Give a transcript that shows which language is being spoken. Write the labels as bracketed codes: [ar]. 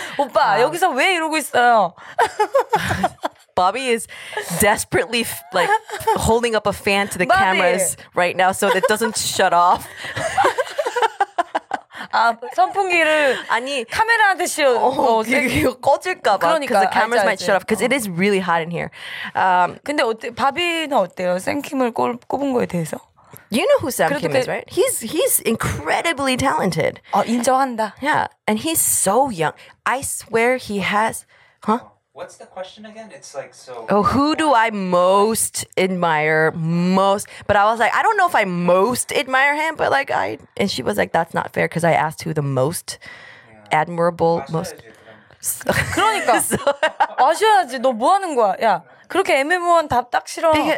[ko] 오빠 여기서 왜 이러고 있어요? [en] Bobby is desperately like holding up a fan to the Bobby. Cameras right now so it doesn't shut off. [ko] 아, 선풍기를 아니 카메라한테 이거 꺼질까 봐. 그러니까 [en] the cameras [ko] 알지. [en] might shut off because it is really hot in here. [ko] 근데 어때 바비는 어때요? 생킴을 꼽은 거에 대해서? [en] You know who Sam Kim is, right? He's incredibly talented. [ko] 인정한다. [en] Yeah, and he's so young. I swear he has What's the question again? It's like so... Oh, who do I most admire most? But I was like, I don't know if I most admire him, but like I... And she was like, that's not fair because I asked who the most admirable, most... [ko] 그러니까. 아셔야지. 너 뭐 하는 거야? 야, 그렇게 애매모호한 답 딱 싫어.